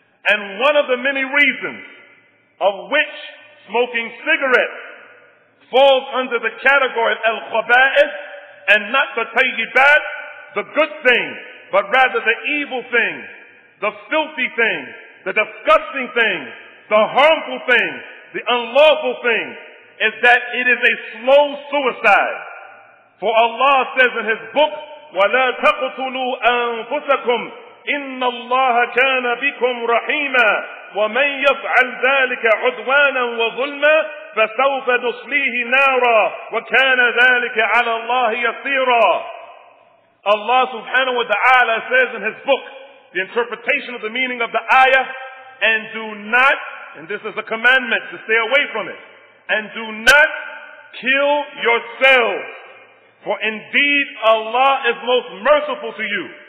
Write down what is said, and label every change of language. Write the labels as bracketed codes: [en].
[en] And one of the many reasons of which smoking cigarettes falls under the category of al-khaba'ith and not the tayyibat, the good thing, but rather the evil thing, the filthy thing, the disgusting thing, the harmful thing, the unlawful thing, is that it is a slow suicide. For Allah says in His book, [ar] وَلَا تَقْتُلُوا أَنفُسَكُمْ إِنَّ اللَّهَ كَانَ بِكُمْ رَحِيمًا وَمَنْ يَفْعَلْ ذَلِكَ عُدْوَانًا وَظُلْمًا فَسَوْفَ نُصْلِيهِ نَارًا وَكَانَ ذَلِكَ عَلَى اللَّهِ يَصِيرًا. [en] Allah subhanahu wa ta'ala says in His book, the interpretation of the meaning of the ayah, and do not, and this is a commandment to stay away from it, and do not kill yourselves, for indeed Allah is most merciful to you.